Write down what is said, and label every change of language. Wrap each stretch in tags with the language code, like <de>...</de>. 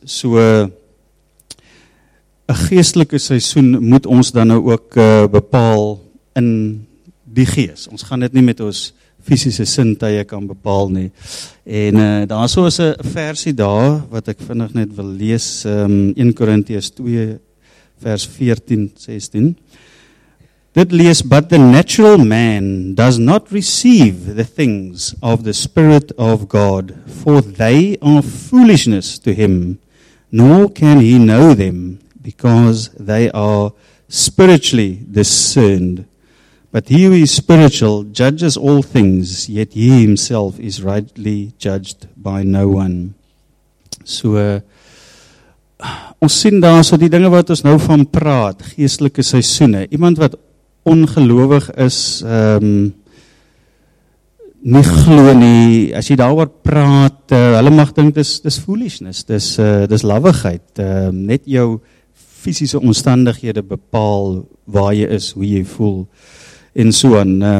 <af>So, 'n geestelike seisoen moet ons dan nou ook bepaal in die gees. Ons gaan dit nie met ons fisiese sintuie kan bepaal nie. En daar is soos 'n versie daar, wat ek vinnig net wil lees, 1 Korintiërs 2 vers 14-16. Dit lees,</af> <en>but the natural man does not receive the things of the Spirit of God, for they are foolishness to him, nor can he know them, because they are spiritually discerned. But he who is spiritual judges all things, yet he himself is rightly judged by no one.</en> <af>So, ons sien daar, so die dinge wat ons nou van praat, geestelike seisoene, iemand wat ongelowig is, nie glo nie, as jy daaroor praat, hulle mag dink, dis foolishness, dis lawigheid, net jou fisiese omstandighede bepaal, waar jy is, hoe jy voel, en so aan.</af>